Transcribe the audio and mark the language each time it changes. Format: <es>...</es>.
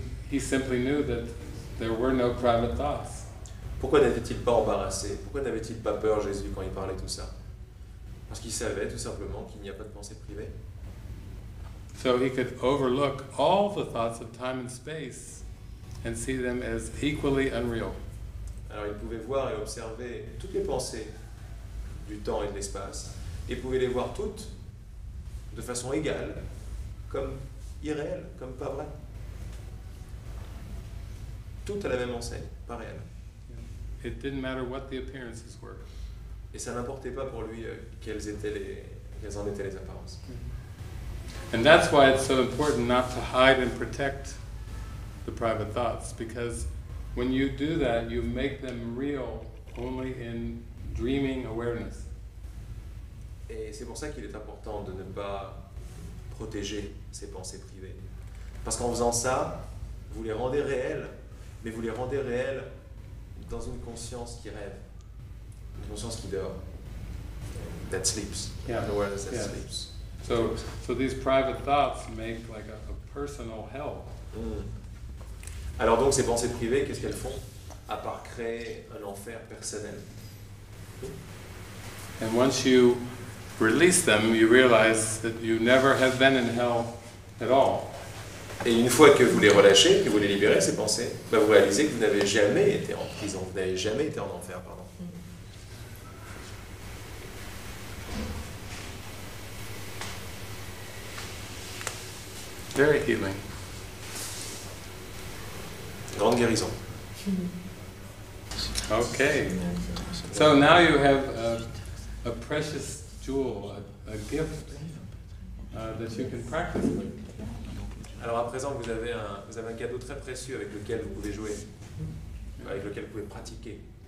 <en>He simply knew that there were no private thoughts.</en> <fr>Pourquoi n'était-il pas embarrassé? Pourquoi n'avait-il pas peur, Jésus, quand il parlait tout ça? Parce qu'il savait tout simplement qu'il n'y a pas de pensée privée.</fr> <en>So he could overlook all the thoughts of time and space and see them as equally unreal.</en> <fr>Alors il pouvait voir et observer toutes les pensées du temps et de l'espace et pouvait les voir toutes de façon égale, comme irréelles, comme pas vraies. Toutes à la même enseigne, pas réelles.</fr> <en>It didn't matter what the appearances were.</en> <fr>Et ça n'importait pas pour lui quelles en étaient les apparences.</fr> <en>And that's why it's so important not to hide and protect the private thoughts, because when you do that, you make them real only in dreaming awareness.</en> <fr>Et c'est pour ça qu'il est important de ne pas protéger ses pensées privées. Parce qu'en faisant ça, vous les rendez réelles, mais vous les rendez réelles dans une conscience qui rêve, une conscience qui dort,</fr> <en>that sleeps, yeah. Awareness that, yeah, sleeps. So these private thoughts make like a personal hell. Mm.</en> <fr>Alors donc ces pensées privées, qu'est-ce qu'elles font à part créer un enfer personnel?</fr> <en>And once you release them, you realize that you never have been in hell at all.</en> <fr>Et une fois que vous les relâchez, que vous les libérez, ces pensées, bah vous réalisez que vous n'avez jamais été en prison, vous n'avez jamais été en enfer, pardon.</fr> <en>Very healing.</en> <fr>Grande guérison.</fr> <en>Okay. So now you have a precious jewel, a gift that you can practice with.</en> <fr>Alors à présent, vous avez un cadeau très précieux avec lequel vous pouvez jouer, avec lequel vous pouvez pratiquer.</fr>